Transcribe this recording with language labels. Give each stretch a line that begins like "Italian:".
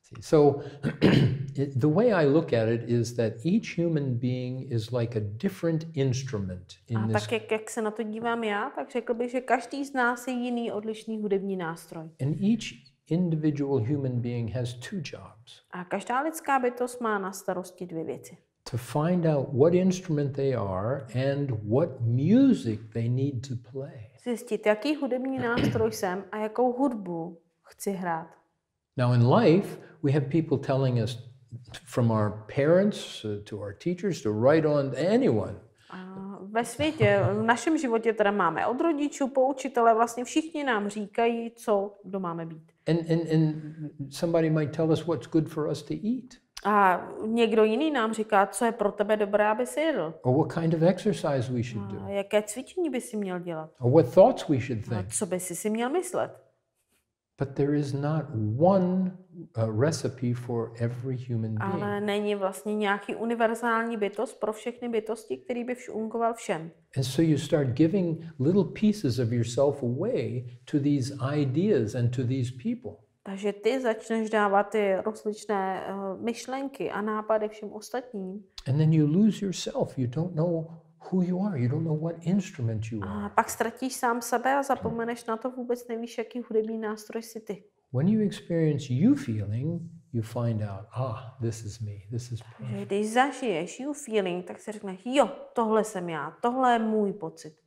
English: So the way I look at it is that each human being is like a different instrument in this.
Czech: A tak jak se na to dívám já, tak řekl bych, že každý z nás je jiný odlišný hudební nástroj.
English: And each individual human being has two jobs.
Czech: A každá lidská bytost má na starosti dvě věci.
English: To find out what instrument they are and what music they need to play.
Czech: Zjistit, jaký hudební nástroj jsem a jakou hudbu chci hrát.
English: Now in life we have people telling us from our parents to our teachers to write on anyone.
Czech: Ve světě, v našem životě teda máme od rodičů po učitele, vlastně všichni nám říkají, co kdo máme být.
English: And somebody might tell us what's good for us to eat.
Czech: A někdo jiný nám říká, co je pro tebe dobré, aby si jedl.
English: Or what kind of exercise we should do.
Czech: A jaké cvičení by si měl dělat.
English: Or what thoughts we should think.
Czech: A co by si měl myslet.
English: But there is not one recipe for every human being.
Czech: Ale není vlastně nějaký univerzální bytost pro všechny bytosti, který by fungoval všem.
English: And so you start giving little pieces of yourself away to these ideas and to these people.
Czech: Takže ty začneš dávat ty rozličné myšlenky a nápady všem ostatním.
English: And then you lose yourself. You don't know who you are, you don't know what instrument you are.
Czech: A pak ztratíš sám sebe a zapomeneš na to, vůbec nevíš, jaký hudební nástroj si ty.
English: When you experience you feeling, you find out, ah, this is me, this is perfect.
Czech: Když zažiješ you feeling, tak si řekneš, jo, tohle jsem já, tohle je můj pocit.